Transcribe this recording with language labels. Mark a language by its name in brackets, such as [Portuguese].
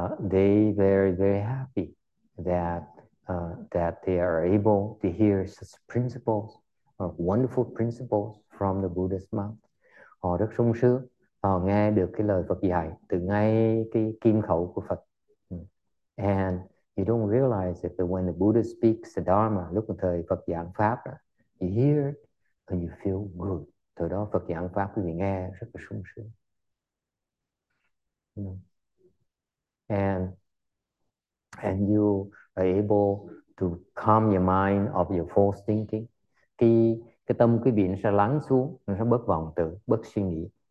[English] They very, very happy that they are able to hear such principles, wonderful principles from the Buddha's mouth. [Vietnamese] Họ rất sung sướng, họ nghe được cái lời Phật dạy từ ngay cái kim khẩu của Phật. [English] And you don't realize that when the Buddha speaks the Dharma, [Vietnamese] lúc mà thời Phật giảng Pháp, [English] you hear and you feel good. [Vietnamese] Từ đó Phật giảng Pháp quý vị nghe rất là sung sướng. [English] And you are able to calm your mind of your false thinking. [Vietnamese] Khi cái tâm quý vị nó sẽ lắng xuống, nó sẽ bớt vọng tưởng, bớt suy nghĩ.